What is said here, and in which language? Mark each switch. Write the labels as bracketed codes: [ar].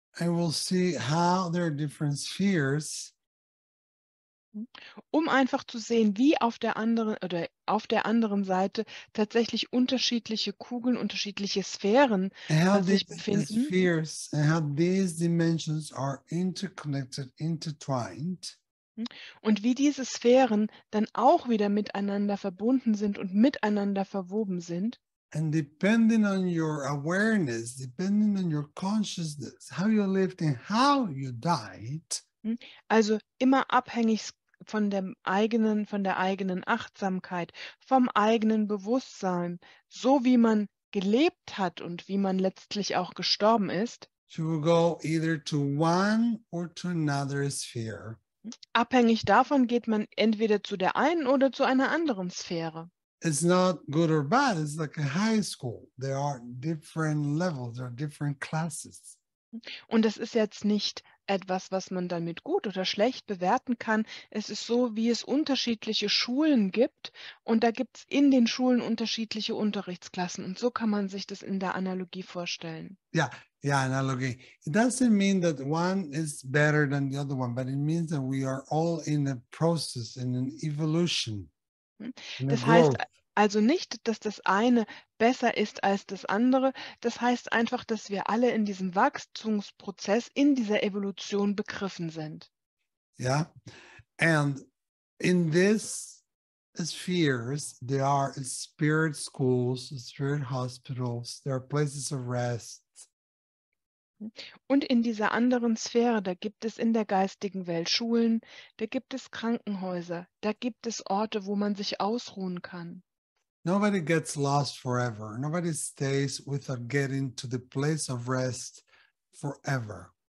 [en] I will see how there are different spheres. [de] Um einfach zu sehen, wie auf der anderen Seite tatsächlich unterschiedliche Kugeln, unterschiedliche Sphären sich befinden. [en] Spheres and how these dimensions are interconnected, intertwined. [de] Und wie diese Sphären dann auch wieder miteinander verbunden sind und miteinander verwoben sind. [en] And depending on your awareness, depending on your consciousness, how you lived and how you died. [de] Also immer abhängig von der eigenen Achtsamkeit, vom eigenen Bewusstsein, so wie man gelebt hat und wie man letztlich auch gestorben ist. [en] You will go either to one or to another sphere. [de] Abhängig davon geht man entweder zu der einen oder zu einer anderen Sphäre. [en] it's not good or bad. It's like a high school. There are different levels, there are different classes. [de] Und das ist jetzt nicht etwas, was man damit gut oder schlecht bewerten kann. Es ist so, wie es unterschiedliche Schulen gibt und da gibt es in den Schulen unterschiedliche Unterrichtsklassen und so kann man sich das in der Analogie vorstellen. Ja, yeah, yeah, Analogie. [en] It doesn't mean that one is better than the other one, but it means that we are all in a process, in an evolution. [de] Das heißt also nicht, dass das eine besser ist als das andere. Das heißt einfach, dass wir alle in diesem Wachstumsprozess, in dieser Evolution begriffen sind. Ja, yeah. [en] And in these spheres, there are spirit schools, spirit hospitals, there are places of rest. [de] Und in dieser anderen Sphäre, da gibt es in der geistigen Welt Schulen, da gibt es Krankenhäuser, da gibt es Orte, wo man sich ausruhen kann. [en] Nobody gets lost forever. Nobody stays without getting to the place of rest forever.